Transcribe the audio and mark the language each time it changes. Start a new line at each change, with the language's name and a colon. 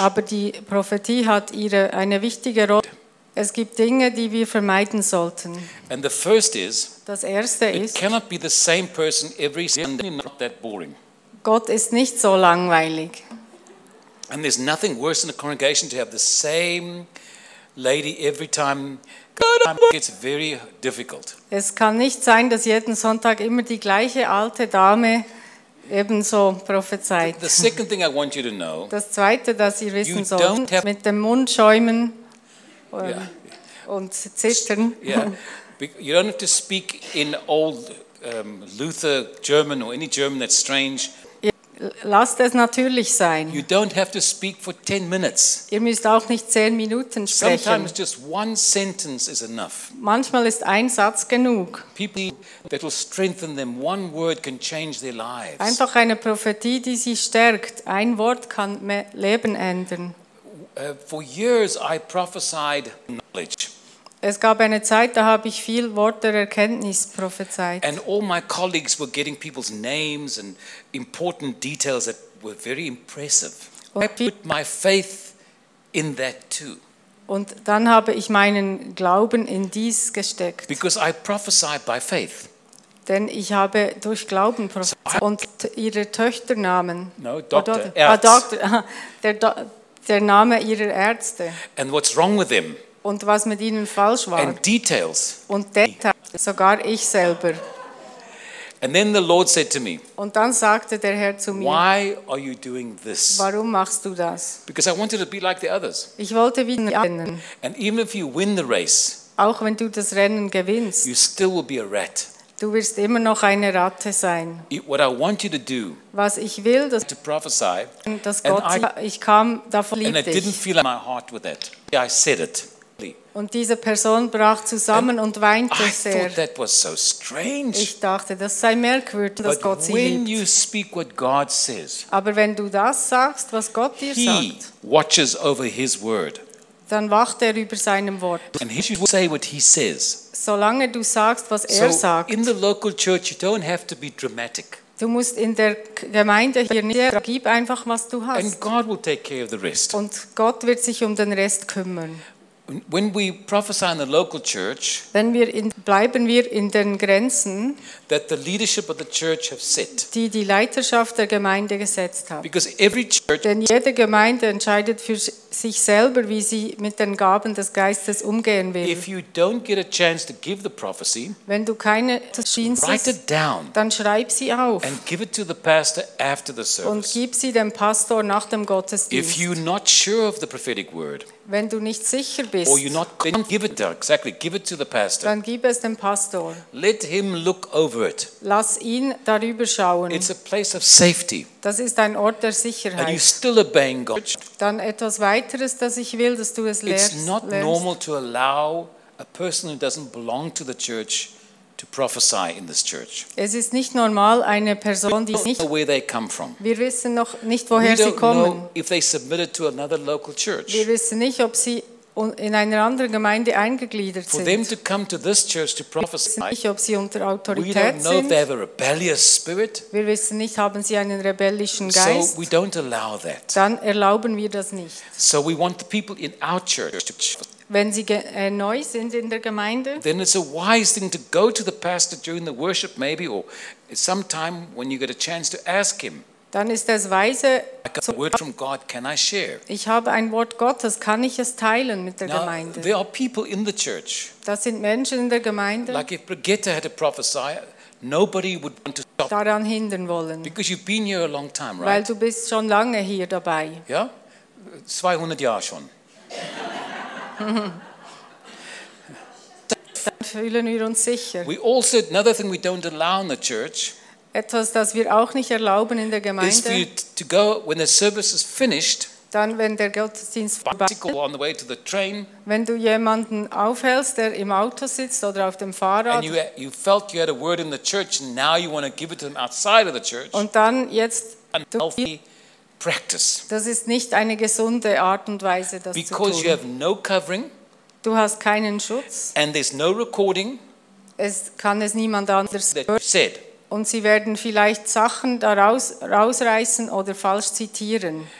German: Aber die Prophetie hat eine wichtige Rolle. Es gibt Dinge, die wir vermeiden sollten.
English: And the first is,
German: das erste ist,
English: it cannot be the same person every Sunday, not that boring.
German: Gott ist nicht so langweilig.
English: And there's nothing worse in a congregation to have the same lady every time. It's very difficult.
German: Es kann nicht sein, dass jeden Sonntag immer die gleiche alte Dame ebenso prophezeit.
English: The second thing I want you to know,
German: das Zweite, das ihr wissen sollt, mit dem Mund schäumen und zittern.
English: You don't have to speak in old Luther German or any German that's strange.
German: Lasst es natürlich sein.
English: You don't have to speak for 10 minutes.
German: Ihr müsst auch nicht 10 Minuten sprechen.
English: Sometimes just one sentence is enough.
German: Manchmal ist ein Satz genug.
English: People that will strengthen them, one word can change their lives.
German: Einfach eine Prophetie, die sie stärkt. Ein Wort kann Leben ändern.
English: For years I prophesied knowledge.
German: Es gab eine Zeit, da habe ich viel Wort der Erkenntnis prophezeit.
English: And all my colleagues were getting people's names and important details that were very impressive. I put my faith in that too.
German: Und dann habe ich meinen Glauben in dies gesteckt.
English: Because I prophesied by faith.
German: Denn ich habe durch Glauben prophezeit. Und ihre Töchternamen.
English: No, Doktor.
German: Der Name ihrer Ärzte.
English: And what's wrong with them?
German: Und was mit ihnen falsch war.
English: And details.
German: Und Details, sogar ich selber.
English: And then the Lord said to me,
German: und dann sagte der Herr zu mir,
English: why are you doing this?
German: Warum machst du das?
English: Because I wanted to be like the others.
German: Ich wollte wie die anderen.
English: And even if you win the race,
German: auch wenn du das Rennen gewinnst,
English: you still will be a rat.
German: Du wirst immer noch eine Ratte sein.
English: What I want you to do,
German: was ich will, dass
English: to prophesy,
German: dass Gott, ich kam davon lieb dich.
English: And I didn't feel in my heart with that. I said it.
German: Und diese Person brach zusammen und weinte sehr.
English: That was so strange.
German: Ich dachte, das sei merkwürdig, dass Gott sie
English: when
German: liebt.
English: You speak what God says,
German: aber wenn du das sagst, was Gott dir
English: he
German: sagt,
English: watches over his word.
German: Dann wacht er über seinem Wort.
English: And he should say what he says.
German: Solange du sagst, was er
English: so
German: sagt.
English: In the local church, you don't have to be dramatic.
German: Du musst in der Gemeinde hier nicht sagen, gib einfach, was du hast.
English: And God will take care of the rest.
German: Und Gott wird sich um den Rest kümmern.
English: When we prophesy in the local church,
German: wenn wir bleiben wir in den Grenzen,
English: that the leadership of the church have set,
German: die Leiterschaft der Gemeinde gesetzt hat.
English: Because every church,
German: denn jede Gemeinde entscheidet für sich selber, wie sie mit den Gaben des Geistes umgehen will.
English: If you don't get a chance to give the prophecy,
German: wenn du keine Chance
English: write it down,
German: dann schreib sie auf,
English: and give it to the pastor after the service,
German: und gib sie dem Pastor nach dem Gottesdienst.
English: If you're not sure of the prophetic word,
German: wenn du nicht sicher bist,
English: or you're not, then give it to, exactly, give it to the pastor.
German: Dann gib es dem Pastor.
English: Let him look over it.
German: Lass ihn darüber schauen.
English: It's a place of safety.
German: Das ist ein Ort der Sicherheit.
English: And you still obeying God.
German: Dann etwas weiteres, das ich will, dass du es lehrst.
English: It's not normal to allow a person who doesn't belong to the church to prophesy in this church.
German: Es ist nicht normal, eine Person, die nicht,
English: where they come from.
German: Wir wissen noch nicht, woher sie kommen.
English: If they submitted to another local church.
German: Wir wissen nicht, ob sie in einer anderen Gemeinde eingegliedert sind.
English: For them to come to this church to prophesy,
German: wir wissen nicht, ob sie unter Autorität sind.
English: We don't know if they have a rebellious spirit.
German: Wir wissen nicht, haben sie einen rebellischen Geist.
English: So we don't allow that.
German: Dann erlauben wir das nicht.
English: So we want the people in our church to prophesy.
German: Wenn sie neu sind in der Gemeinde,
English: then it's a wise thing to go to the pastor during the worship, maybe, or sometime when you get a chance to ask him.
German: Dann ist es weise.
English: I got a word from God, can I share?
German: Ich habe ein Wort Gottes, kann ich es teilen mit der
English: Now,
German: Gemeinde?
English: There are people in the church.
German: Das sind Menschen in der Gemeinde.
English: Like if Brigitte had to prophesy, nobody would want to stop.
German: Daran hindern wollen.
English: Because you've been here a long time, right?
German: Weil du bist schon lange hier dabei. Ja, 200 Jahre schon. Dann fühlen wir uns sicher.
English: We also another thing we don't allow in the church.
German: Etwas, das wir auch nicht erlauben in der Gemeinde.
English: Is for you to go when the service is finished.
German: Dann, wenn der Gottesdienst vorbei
English: on the way to the train.
German: Wenn du jemanden aufhältst, der im Auto sitzt oder auf dem Fahrrad.
English: And you felt you had a word in the church, and now you want to give it to them outside of the church.
German: Und dann jetzt.
English: Practice.
German: Das ist nicht eine gesunde Art und Weise, das
English: Because
German: zu tun.
English: You have no covering,
German: du hast keinen Schutz.
English: And there's no recording,
German: es kann es niemand anders hören. Und sie werden vielleicht Sachen daraus rausreißen oder falsch zitieren.